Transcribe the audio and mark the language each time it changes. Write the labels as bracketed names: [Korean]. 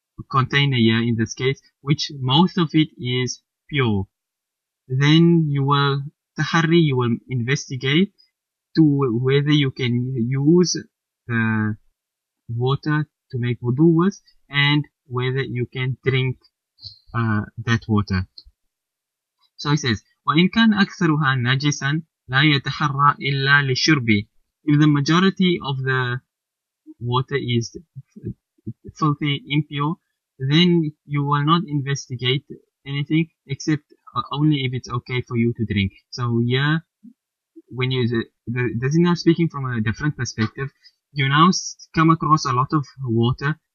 [English] container here in this case which most of it is pure, then you will Tahari, you will investigate to whether you can use the water to make wudu with, and whether you can drink that water. So he says, [Arabic] وَإِنْ كَانَ أَكْثَرُهَا نَجِسًا لَا يَتَحَرَّى إِلَّا لِشُرْبِ. [English] If the majority of the water is filthy, impure, then you will not investigate anything except only if it's okay for you to drink. So yeah, when you this is now speaking from a different perspective, you now come across a lot of water.